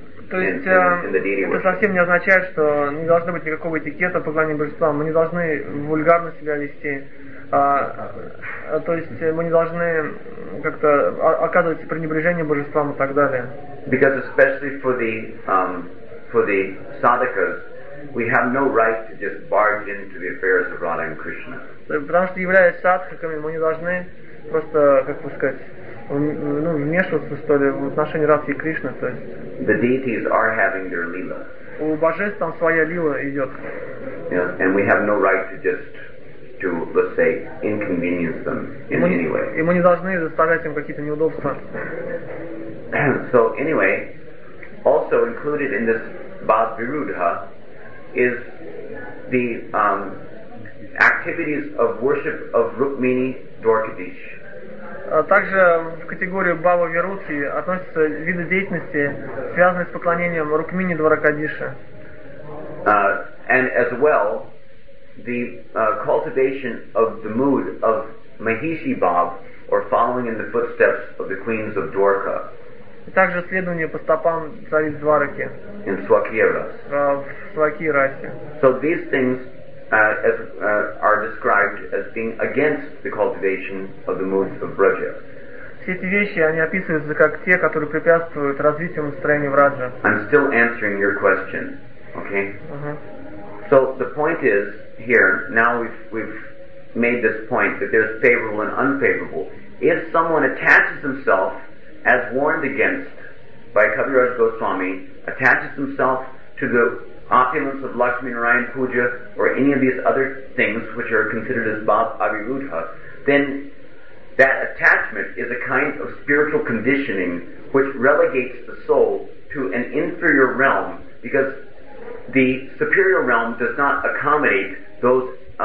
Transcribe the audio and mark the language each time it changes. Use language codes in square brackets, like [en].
[ru] То есть это совсем не означает, что не должно быть никакого этикета поклонения божествам. Мы не должны вульгарно себя вести. То есть мы не должны как-то оказывать пренебрежение божествам и так далее. [en] Because especially for the sadhakas, we have no right to just barge into the affairs of Radha and Krishna. [ru] Потому что являясь садхаками, мы не должны просто, как бы сказать, вмешиваться, что ли, в отношении Радхи и Кришны. То есть [en] the deities are having their lila. [ru] У божеств там своя лила идет. [en] And we have no right to just to, let's say, inconvenience them in any way. [ru] И мы не должны заставлять им какие-то неудобства. [en] So anyway, also included in this Bhav Virudha is the activities of worship of Rukmini Dwarkadish. [ru] Также в категорию Бхава Вируддхи относятся виды деятельности, связанные с поклонением Рукмини Дваракадиша. [en] And as well, the cultivation of the mood of Mahishi Bhav, or following in the footsteps of the queens of Dwarka. [ru] И также следование по стопам цариц Двараки. [en] In Swakiras. [ru] В Свакирасе. [en] So these things are described as being against the cultivation of the moods of Braja. [ru] все эти вещи, они описываются как те, которые препятствуют развитию настроения в раджа. [en] I'm still answering your question, okay? Uh-huh. So the point is here, now we've made this point that there's favorable and unfavorable. If someone attaches himself, as warned against by Kaviraj Goswami, attaches himself to the opulence of Lakshmi Narayan Puja or any of these other things which are considered as Bhav Abhirudha, then that attachment is a kind of spiritual conditioning which relegates the soul to an inferior realm, because the superior realm does not accommodate those